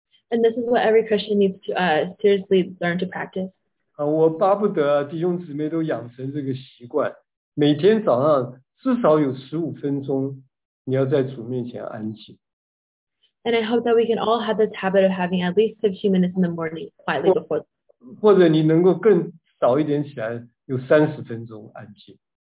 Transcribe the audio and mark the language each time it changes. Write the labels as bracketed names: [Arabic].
[English] And this is what every Christian needs to seriously learn to practice. [Chinese] 啊，我巴不得弟兄姊妹都养成这个习惯，每天早上至少有15分钟，你要在主面前安静。 [English] And I hope that we can all have this habit of having at least 15 minutes in the morning quietly before. [Chinese] 或者你能够更早一点起来，有30分钟安静。